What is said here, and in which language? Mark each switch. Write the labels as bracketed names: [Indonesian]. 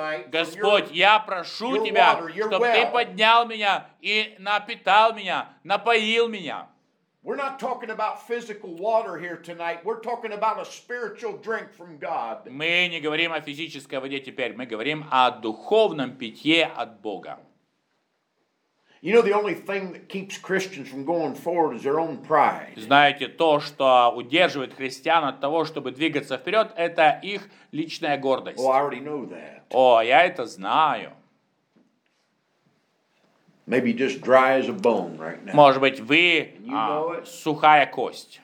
[Russian] Господь, я прошу Тебя, чтобы Ты поднял меня и напитал меня, напоил меня. [English] We're not talking about physical water here tonight. We're talking about a spiritual drink from God. [Russian] Мы не говорим о физической воде теперь. Мы говорим о духовном питье от Бога. [English] You know, the only thing that keeps Christians from going forward is their own pride. [Russian] Знаете, то, что удерживает христиан от того, чтобы двигаться вперед, это их личная гордость. [English] Oh, I already know that. [Russian] О, я это знаю. [English] Maybe just dry as a bone right now. [Russian] Может быть, вы сухая кость.